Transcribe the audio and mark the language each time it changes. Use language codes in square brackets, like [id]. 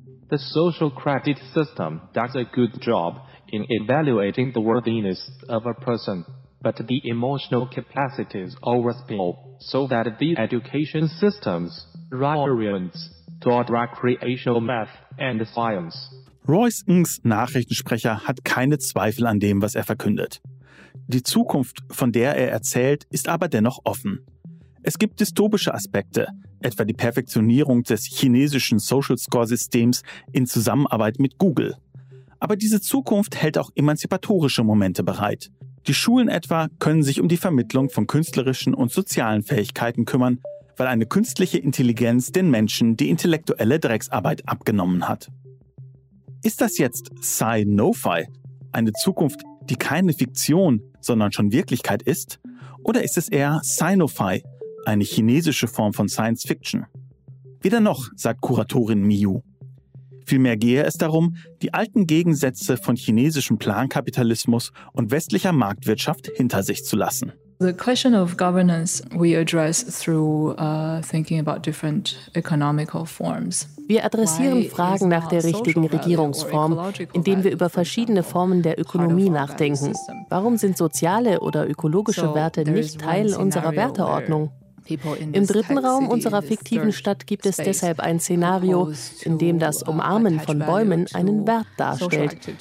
[en] The social credit system does a good job in evaluating the worthiness of a person, but the emotional capacities overspill, so that the education system's reorients toward recreational math and science. [de] Royce Ng's Nachrichtensprecher hat keine Zweifel an dem, was er verkündet. Die Zukunft, von der er erzählt, ist aber dennoch offen. Es gibt dystopische Aspekte, etwa die Perfektionierung des chinesischen Social Score-Systems in Zusammenarbeit mit Google. Aber diese Zukunft hält auch emanzipatorische Momente bereit. Die Schulen etwa können sich um die Vermittlung von künstlerischen und sozialen Fähigkeiten kümmern, weil eine künstliche Intelligenz den Menschen die intellektuelle Drecksarbeit abgenommen hat. Ist das jetzt Sci-No-Fi, eine Zukunft, die keine Fiktion, sondern schon Wirklichkeit ist? Oder ist es eher Sino-Fi, eine chinesische Form von Science-Fiction? Weder noch, sagt Kuratorin Miu. Vielmehr gehe es darum, die alten Gegensätze von chinesischem Plankapitalismus und westlicher Marktwirtschaft hinter sich zu lassen. [en] The question of governance we address through thinking about different economical forms. [de] Wir adressieren Fragen nach der richtigen Regierungsform, indem wir über verschiedene Formen der Ökonomie nachdenken. Warum sind soziale oder ökologische Werte nicht Teil unserer Werteordnung? Im dritten Raum unserer fiktiven Stadt gibt es deshalb ein Szenario, in dem das Umarmen von Bäumen einen Wert darstellt.